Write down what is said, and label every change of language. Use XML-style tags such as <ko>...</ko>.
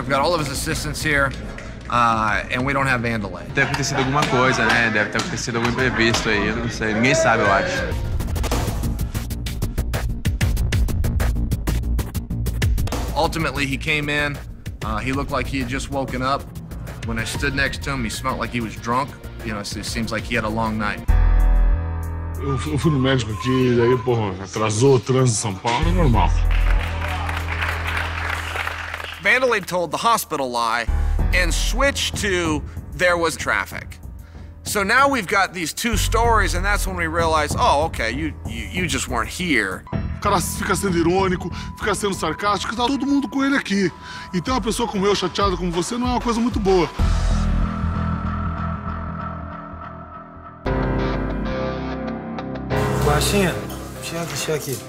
<en>We've got all of his assistants here, and we don't have Vandalay.</en> <pt>Deve ter acontecido alguma coisa, né? Deve ter acontecido algum imprevisto aí. Eu não sei. Ninguém sabe, eu acho.</pt> <en>Ultimately, he came in. He looked like he had just woken up. When I stood next to him, he smelled like he was drunk. You know, it seems like he had a long night.</en> <pt>Eu fui no médico aqui, daí, porra, atrasou o trânsito em São Paulo, é normal.</pt> <en>Vandalay told the hospital lie and switched to there was traffic. So now we've got these two stories and that's when we realize, oh, okay, you just weren't here.</en> <pt>O cara fica sendo irônico, fica sendo sarcástico, tá todo mundo com ele aqui. E ter uma pessoa como eu, chateada como você, não é uma coisa muito boa. Baixinha, chega aqui.</pt>